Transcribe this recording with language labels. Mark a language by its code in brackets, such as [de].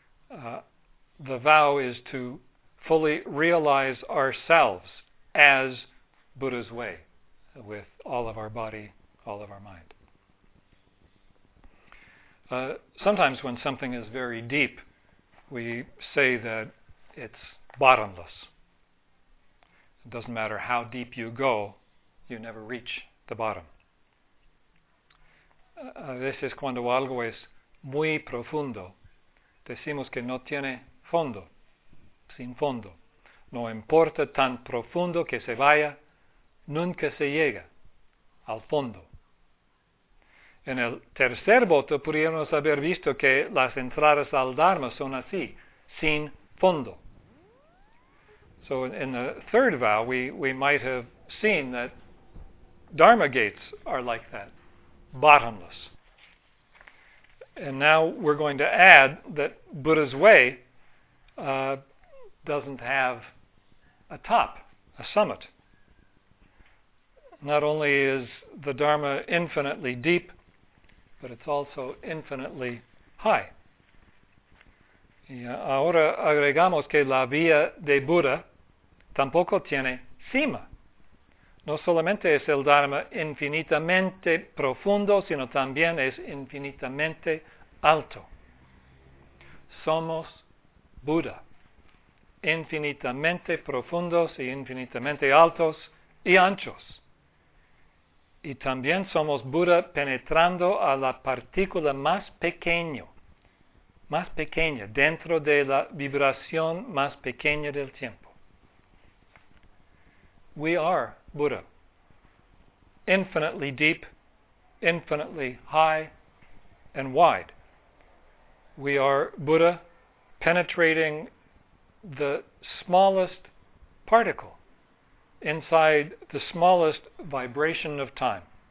[en] The vow is to fully realize ourselves as Buddha's way with all of our body, all of our mind. Sometimes when something is very deep, we say that it's bottomless. It doesn't matter how deep you go, you never reach the bottom. [es] A veces cuando algo es muy profundo, decimos que no tiene fondo, sin fondo. No importa tan profundo que se vaya, nunca se llega al fondo. En el tercer voto pudiéramos haber visto que las entradas al Dharma son así, sin fondo. [en] So in the third vow, we might have seen that Dharma gates are like that. Bottomless. And now we're going to add that Buddha's way doesn't have a top, a summit. Not only is the Dharma infinitely deep, but it's also infinitely high. [es] Y ahora agregamos que la vía de Buda tampoco tiene cima. No solamente es el Dharma infinitamente profundo, sino también es infinitamente alto. Somos Buda, infinitamente profundos y infinitamente altos y anchos. Y también somos Buda penetrando a la partícula más pequeña, dentro de la vibración más pequeña del tiempo. [en] We are Buddha, infinitely deep, infinitely high and wide. We are Buddha penetrating the smallest particle inside the smallest vibration of time.